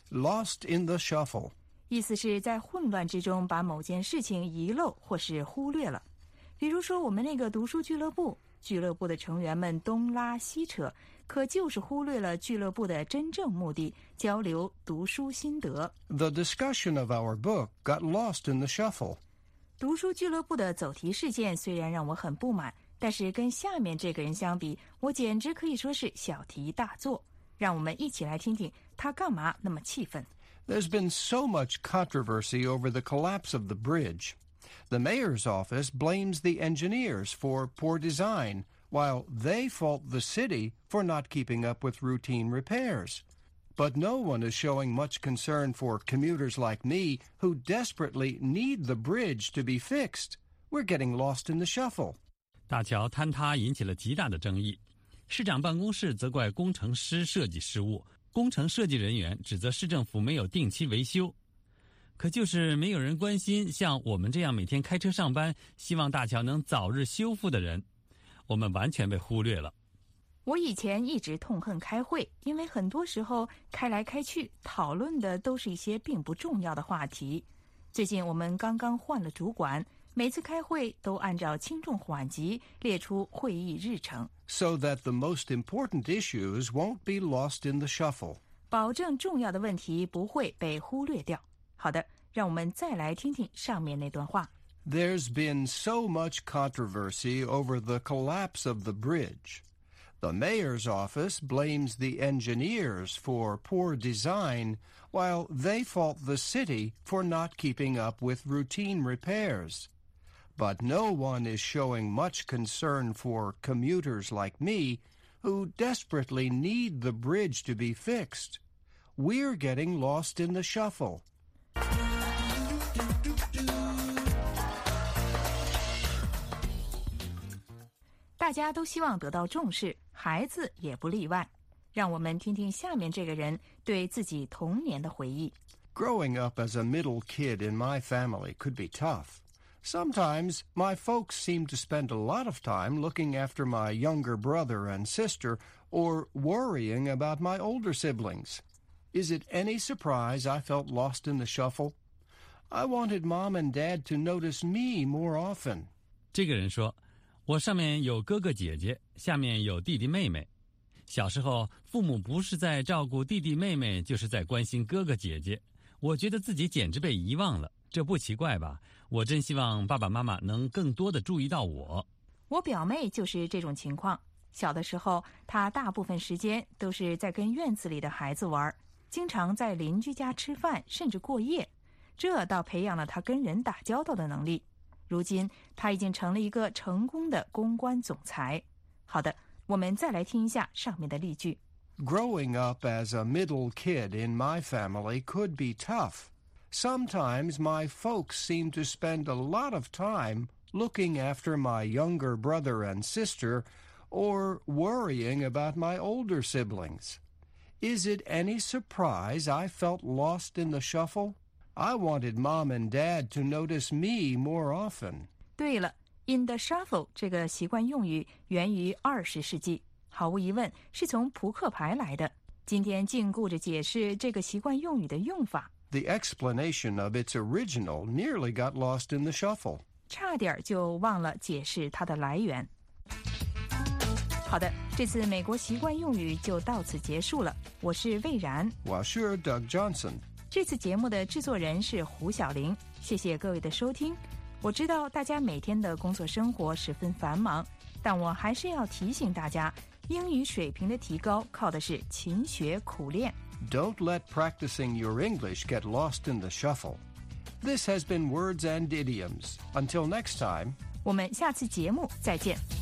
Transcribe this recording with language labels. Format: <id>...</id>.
<en>Lost in the shuffle，</en> <zh>意思是在混乱之中把某件事情遗漏或是忽略了。比如说我们那个读书俱乐部，俱乐部的成员们东拉西扯，可就是忽略了俱乐部的真正目的，交流读书心得。</zh> <en>The discussion of our book got lost in the shuffle。</en> <zh>读书俱乐部的走题事件虽然让我很不满，但是跟下面这个人相比，我简直可以说是小题大做。让我们一起来听听他干嘛那么气愤。</zh> <en>There's been so much controversy over the collapse of the bridge. The mayor's office blames the engineers for poor design, while they fault the city for not keeping up with routine repairs. But no one is showing much concern for commuters like me who desperately need the bridge to be fixed. We're getting lost in the shuffle.</en> <zh>大桥坍塌引起了极大的争议，市长办公室责怪工程师设计失误，工程设计人员指责市政府没有定期维修，可就是没有人关心像我们这样每天开车上班，希望大桥能早日修复的人，我们完全被忽略了。我以前一直痛恨开会，因为很多时候开来开去，讨论的都是一些并不重要的话题。最近我们刚刚换了主管，每次开会都按照轻重缓急列出会议日程</zh> <en>so that the most important issues won't be lost in the shuffle.</en> <zh>保证重要的问题不会被忽略掉。好的，让我们再来听听上面那段话。</zh> <en>There's been so much controversy over the collapse of the bridge. The mayor's office blames the engineers for poor design, while they fault the city for not keeping up with routine repairs. But no one is showing much concern for commuters like me, who desperately need the bridge to be fixed. We're getting lost in the shuffle.</en> <zh>大家都希望得到重视，孩子也不例外。让我们听听下面这个人对自己童年的回忆。 Growing up as a middle kid in my family could be tough. Sometimes my folks seemed to spend a lot of time looking after my younger brother and sister or worrying about my older siblings. Is it any surprise I felt lost in the shuffle? I wanted mom and dad to notice me more often. 这个人说我上面有哥哥姐姐，下面有弟弟妹妹。小时候，父母不是在照顾弟弟妹妹，就是在关心哥哥姐姐。我觉得自己简直被遗忘了，这不奇怪吧？我真希望爸爸妈妈能更多地注意到我。我表妹就是这种情况。小的时候，她大部分时间都是在跟院子里的孩子玩，经常在邻居家吃饭，甚至过夜。这倒培养了她跟人打交道的能力。如今他已经成了一个成功的公关总裁。好的，我们再来听一下上面的例句。</zh> <en>Growing up as a middle kid in my family could be tough. Sometimes my folks seem to spend a lot of time looking after my younger brother and sister or worrying about my older siblings. Is it any surprise I felt lost in the shuffle? I wanted mom and dad to notice me more often.</en> <zh>对了 ,in the shuffle 这个习惯用语源于20世纪。毫无疑问是从扑克牌来的。今天尽顾着解释这个习惯用语的用法。</zh> <en>The explanation of its original nearly got lost in the shuffle.</en> <zh>差点就忘了解释它的来源。好的，这次美国习惯用语就到此结束了。我是魏然。</zh> <en>Washer Doug Johnson.</en> <zh>这次节目的制作人是胡晓玲，谢谢各位的收听。我知道大家每天的工作生活十分繁忙，但我还是要提醒大家，英语水平的提高靠的是勤学苦练。</zh> <en>Don't let practicing your English get lost in the shuffle. This has been Words and Idioms. Until next time.</en> <zh>我们下次节目再见。</zh>